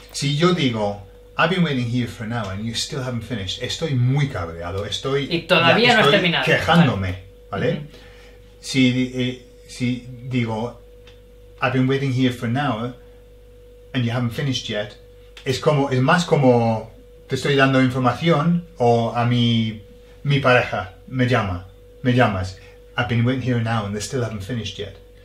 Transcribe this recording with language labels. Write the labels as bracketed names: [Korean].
[Spanish] Si yo digo, [English] I've been waiting here for an hour and you still haven't finished. [Spanish] Estoy muy cabreado. Estoy... Y todavía no has terminado. Quejándome. ¿Vale? Uh-huh. Si digo, [English] I've been waiting here for an hour and you haven't finished yet. [Spanish] Es más como, te estoy dando información o a mi pareja me llama. Me llamas. [English] I've been waiting here an hour and they still haven't finished yet.